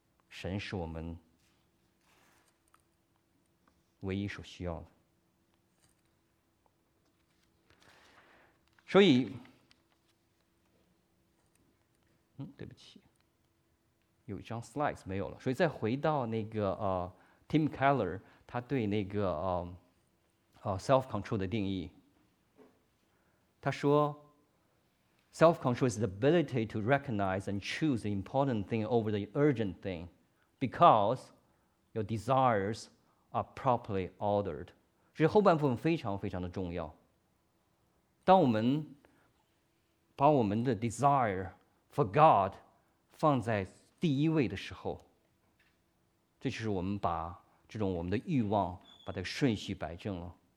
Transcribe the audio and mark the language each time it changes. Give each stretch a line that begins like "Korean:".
Chinese: 神是我们唯一所需要的。所以对不起，有一张 slides 没有了。所以再回到那个Tim Keller 他对那个self-control 的定义，他说
English: self-control is the ability to recognize and choose the important thing over the urgent thing because your desires are properly ordered。
Chinese: 所以后半部分非常非常的重要，当我们把我们的
English: desire for God
Chinese: 放在第一位的时候，这就是我们把这种我们的欲望把这个顺序摆正了。